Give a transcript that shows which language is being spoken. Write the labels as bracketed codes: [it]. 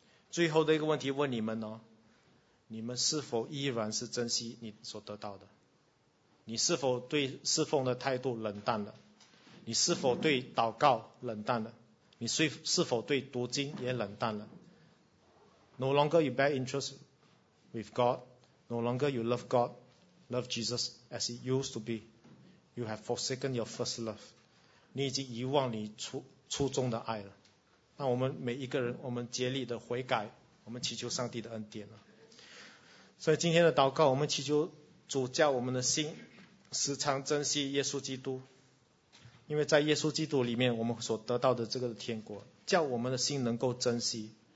[zh] 最后的一个问题问你们哦，你们是否依然是珍惜你所得到的？你是否对侍奉的态度冷淡了？你是否对祷告冷淡了？你是否对读经也冷淡了？ [en] No longer you bear interest with God, no longer you love God, love Jesus as it used to be. You have forsaken your first love. [zh] 你已经遗忘你初中的爱了。那我们每一个人，我们竭力的悔改，我们祈求上帝的恩典了。所以今天的祷告，我们祈求主教我们的心时常珍惜耶稣基督，因为在耶稣基督里面我们所得到的这个天国，叫我们的心能够珍惜。